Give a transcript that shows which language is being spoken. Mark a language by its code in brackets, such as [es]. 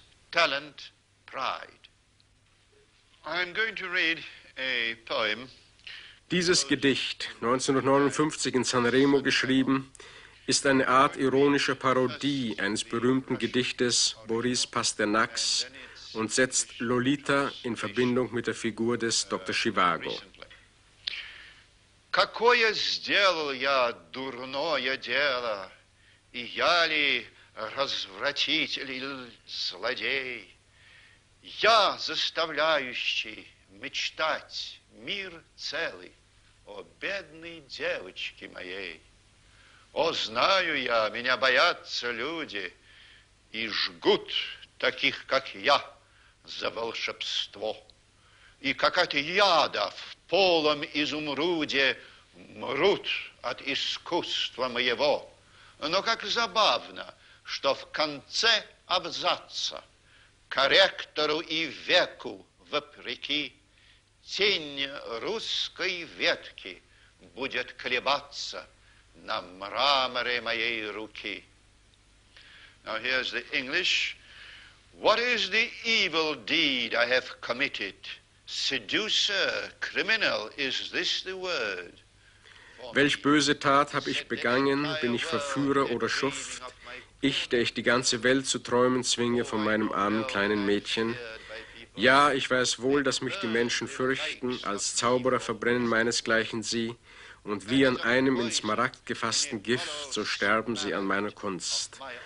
[en] Talent, Pride. I'm going to read a poem. [de] Dieses Gedicht, 1959 in Sanremo geschrieben, ist eine Art ironische Parodie eines berühmten Gedichtes Boris Pasternaks und setzt Lolita in Verbindung mit der Figur des Dr. Zhivago. [ru] Какое сделал я дурное дело, и я ли развратитель или злодей? Я заставляющий мечтать мир целый, о бедной девочке моей. О, знаю я, меня боятся люди и жгут таких, как я, за волшебство. И как от яда в полом изумруде мрут от искусства моего. Но как забавно, что в конце абзаца корректору и веку вопреки тень русской ветки будет колебаться на мраморе моей руки. [en] Now here's the English. What is the evil deed I have committed? Seducer, criminal, is this the word? [de] Welch böse Tat habe ich begangen, bin ich Verführer oder Schuft? Ich, der ich die ganze Welt zu träumen zwinge von meinem armen kleinen Mädchen. Ja, ich weiß wohl, dass mich die Menschen fürchten, als Zauberer verbrennen meinesgleichen sie, und wie an einem in Smaragd gefassten Gift, so sterben sie an meiner Kunst.